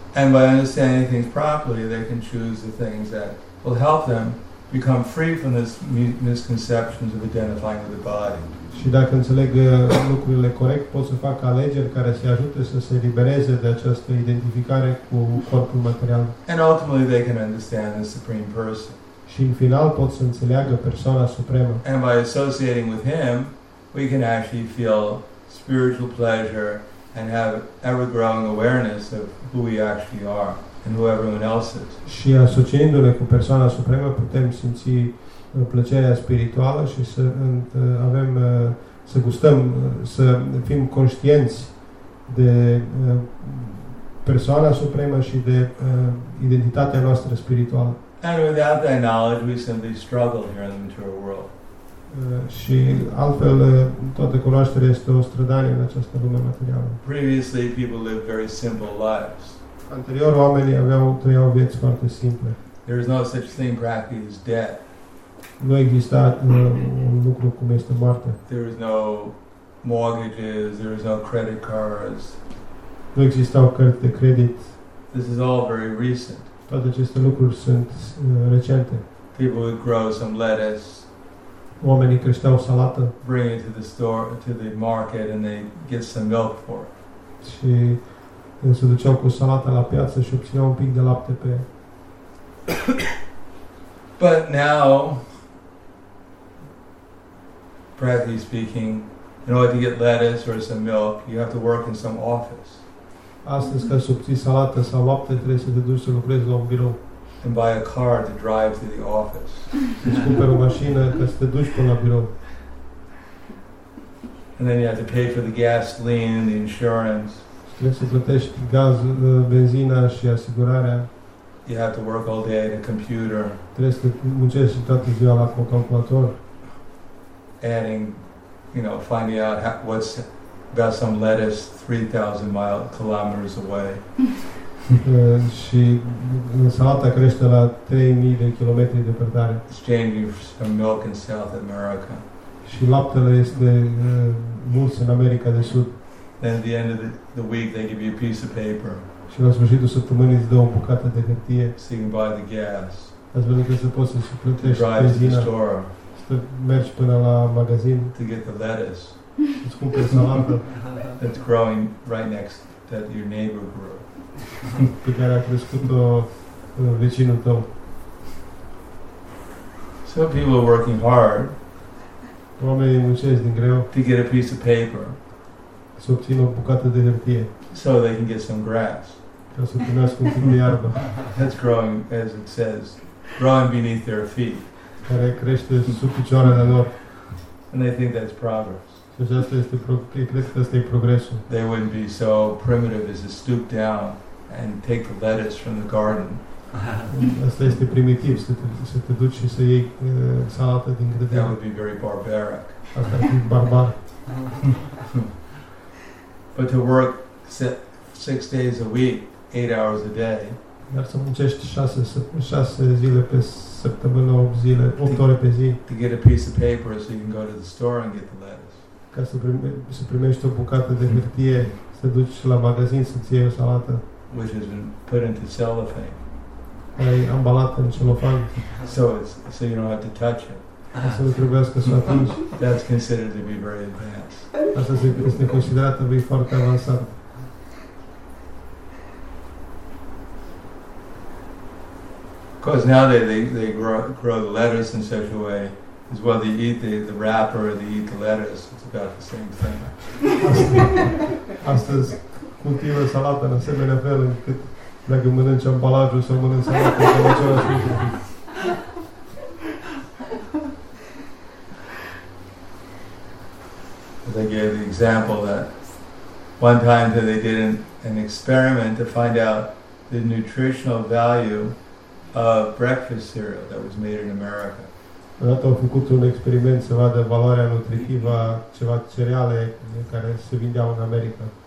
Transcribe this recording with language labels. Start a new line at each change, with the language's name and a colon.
English: And by understanding things properly, they can choose the things that will help them become free from this misconceptions of identifying with the body.
Romanian: Și dacă înțeleg lucrurile corect, pot să fac alegeri care să ajute să se libereze de această identificare cu corpul material.
English: And ultimately they can understand the Supreme Person.
Romanian: Și în final pot să înțeleagă persoana supremă.
English: And by associating with him, we can actually feel spiritual pleasure and have ever-growing awareness of who we actually are and who everyone else is.
Romanian: Și asociindu-ne cu persoana supremă putem simți plăcerea spirituală și să avem să gustăm să fim conștienți de persoana supremă și de identitatea noastră spirituală.
English: And without that knowledge we simply struggle here in the material world.
Romanian: Și altfel toată cunoașterea este o strădanie în această lume materială.
English: Previously people lived very simple lives.
Romanian: Anterior oamenii trăiau vieți foarte simple.
English: There is no such thing practically as death.
Romanian: Nu exista un lucru cum este moartea.
English: There is no mortgages, there is no credit cards.
Romanian: Nu existau cărți de credit.
English: This is all very recent.
Romanian: Toate aceste lucruri sunt recente.
English: People would grow some lettuce.
Romanian: Oamenii creșteau salată.
English: Bring it to the store, to the market, and they get some milk for it.
Romanian: Și se duceau cu salata la piață și obțineau un pic de lapte pe.
English: But now, practically speaking, in order to get lettuce or some milk, you have to work in some office.
Romanian: Astăzi, ca să obții salată sau lapte, trebuie să te duci să lucrezi la un birou.
English: And buy a car to drive to the office.
Romanian: Îți cumperi o mașină ca să te duci până la birou.
English: And then you have to pay for the gasoline, the insurance.
Romanian: Trebuie să plătești gaz, benzina și asigurarea.
English: You have to work all day at a computer.
Romanian: Trebuie să muncești toată ziua la calculator.
English: Adding, you know, finding out what's got some lettuce 3,000 kilometers away.
Romanian: Și salata crește la 3,000 de kilometri de depărtare.
English: Exchanging some milk in South America.
Romanian: Și laptele este mult în America de Sud.
English: Then at the end of the week they give you a piece of paper.
Romanian: Și la sfârșitul săptămânii îți dă o bucată de hârtie.
English: So you can buy the gas.
Romanian: Ați văzut că se poți să suplătești benzina. Să mergi până la magazin.
English: To get the lettuce.
Romanian: Îți cumperi salată.
English: That's growing right next that your neighbor grew.
Romanian: Pe care a crescut-o vecinul tău.
English: So people are working hard.
Romanian: Oamenii muncesc din greu.
English: To get a piece of paper.
Romanian: Să obțină o bucată de hârtie.
English: So they can get some grass.
Romanian: Ca să primească un pic de iarbă.
English: That's growing, as it says, growing beneath their feet.
Romanian: Care crește sub picioarele lor.
English: And they think that's progress.
Romanian: Și asta este cred că asta e progresul.
English: They wouldn't be so primitive as to stoop down and take the lettuce from the garden.
Romanian: Asta este primitiv, să te duci și să iei salată din grădină.
English: That would be very barbaric.
Romanian: Asta ar fi barbar.
English: But to work 6 days a week, 8 hours a day.
Romanian: Dar să muncești 6 zile pe săptămână, 8 zile, 8 ore pe zi.
English: To get a piece of paper so you can go to the store and get the lettuce.
Romanian: Ca să primești o bucată de hârtie, să duci la magazin să-ți iei o salată.
English: Which has been put into cellophane.
Romanian: Ai ambalat în celofan.
English: So you don't have to touch it.
Romanian: Să nu trebuiască să o atingi.
English: That's considered to be very advanced.
Romanian: Asta este considerat
English: to be
Romanian: foarte avansat.
English: Because now they grow the lettuce in such a way as well. They eat the wrapper, they eat the lettuce. It's about the same thing.
Romanian: Astăzi cultivă salată în asemenea fel încât dacă mănânci ambalajul sau mănânci salată, e cam același lucru.
English: As I gave the example that one time they did an experiment to find out the nutritional value of breakfast cereal that was made in America.
Romanian: Odată au făcut un experiment să vadă valoarea nutritivă a ceva cereale care se vindeau în America.